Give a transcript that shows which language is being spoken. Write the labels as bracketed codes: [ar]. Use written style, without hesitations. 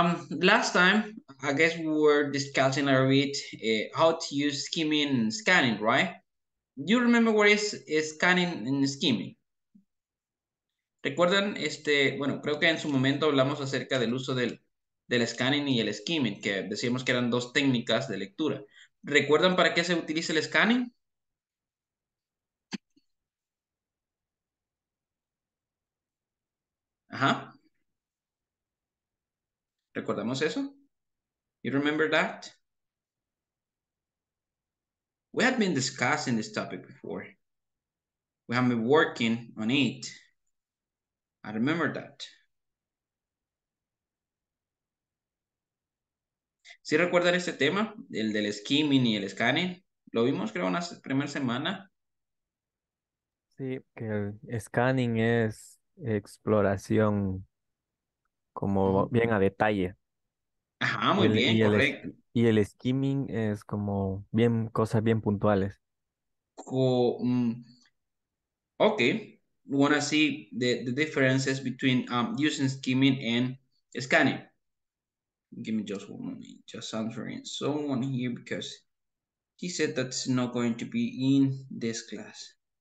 [en] last time, I guess we were discussing a bit how to use skimming and scanning, right? Do you remember what is scanning and skimming? [es] Recuerdan, bueno, creo que en su momento hablamos acerca del uso del scanning y el skimming, que decíamos que eran dos técnicas de lectura. ¿Recuerdan para qué se utiliza el scanning? Ajá. ¿Recordamos eso? [en] You remember that? We have been discussing this topic before. We have been working on it. I remember that. [es] ¿Sí recuerdan este tema? El del skimming y el scanning. Lo vimos, creo, en la primera semana. Sí, que el scanning es exploración como bien a detalle. Ajá, muy bien, correcto. Y el skimming es como bien cosas bien puntuales. [en] Okay, we want to see the differences between using skimming and scanning. Give me just one moment, just answering someone here because he said that's not going to be in this class.